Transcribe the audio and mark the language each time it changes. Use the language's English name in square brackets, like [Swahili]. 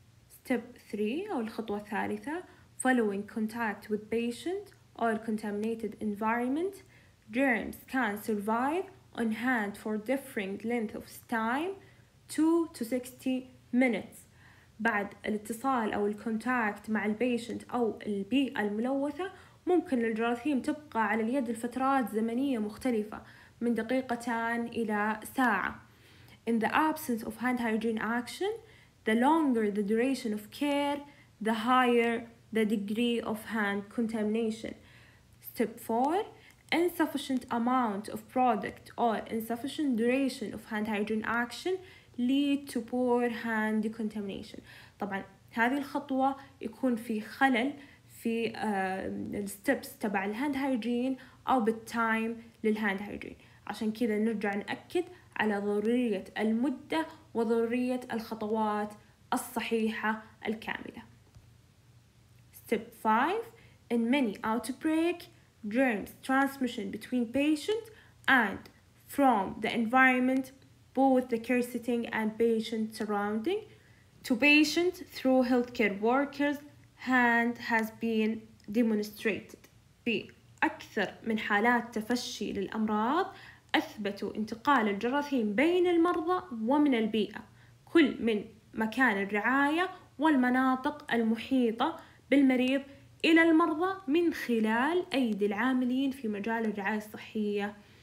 [English] Step 3 [Arabic] أو الخطوة الثالثة [English] Following contact with patient or contaminated environment germs can survive on hand for differing length of time 2 to 60 minutes. [Arabic] بعد الاتصال أو الكونتاكت مع البيشنت أو البيئة الملوثة ممكن الجراثيم تبقى على اليد لفترات زمنية مختلفة من دقيقتان إلى ساعة. [English] In the absence of hand hygiene action, the longer the duration of care, the higher the degree of hand contamination. Step 4. Insufficient amount of product or insufficient duration of hand hygiene action lead to poor hand decontamination. [Arabic] طبعا هذه الخطوة يكون في خلل في الستبس تبع الهاند هايجين أو بالتايم للهاند هايجين. عشان كذا نرجع نأكد على ضرورية المدة وضرورية الخطوات الصحيحة الكاملة. [English] Step 5 In many outbreak germs transmission between patient and from the environment both the care setting and patient surrounding to patient through healthcare workers hand has been demonstrated. [Arabic] في أكثر من حالات تفشي للأمراض أثبتوا انتقال الجراثيم بين المرضى ومن البيئة كل من مكان الرعاية والمناطق المحيطة بالمريض إلى المرضى من خلال أيدي العاملين في مجال الرعاية الصحية.